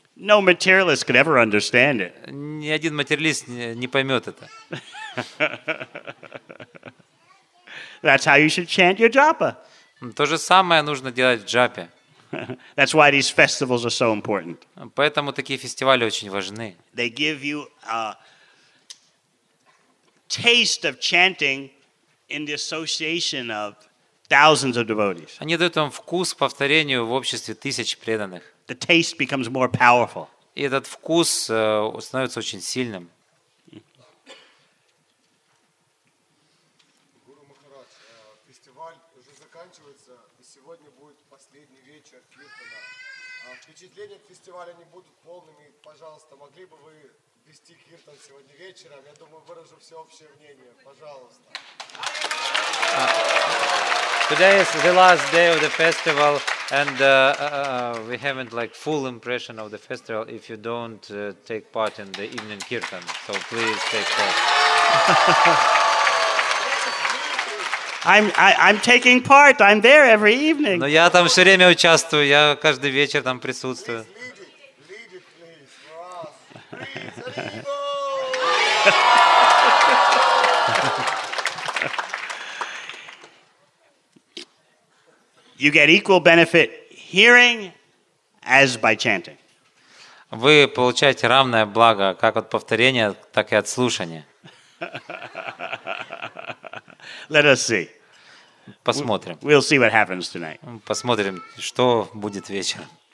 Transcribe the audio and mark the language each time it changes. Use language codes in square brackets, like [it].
[en] No materialist could ever understand it. [ru] Ни один материалист не поймет это. [en] That's how you should chant your japa. [ru] То же самое нужно делать в джапе. [en] That's why these festivals are so important. [ru] Поэтому такие фестивали очень важны. [en] They give you a taste of chanting in the association of thousands of devotees. [ru] Они дают вам вкус повторению в обществе тысяч преданных. [en] The taste becomes more powerful. [ru] И этот вкус становится очень сильным. Гуру Махарадж, фестиваль уже заканчивается, и сегодня будет последний вечер киртана. Впечатления от фестиваля не будут полными. Пожалуйста, могли бы вы вести киртан сегодня вечером? Я думаю, выражу всеобщее мнение. Пожалуйста. [en] Today is the last day of the festival, and we haven't like full impression of the festival if you don't take part in the evening kirtan. So please take part. I'm taking part. I'm there every evening. [ru] Но я там все время участвую. Я каждый вечер там присутствую. [en] Please lead it. Lead it, please. For us. Please, arrivo! You get equal benefit hearing as by chanting. [ru] Вы получаете равное благо как от повторения, так и от слушания. [en] Let us see. [ru] Посмотрим. [en] We'll see what happens tonight. [ru] Посмотрим, что будет вечером.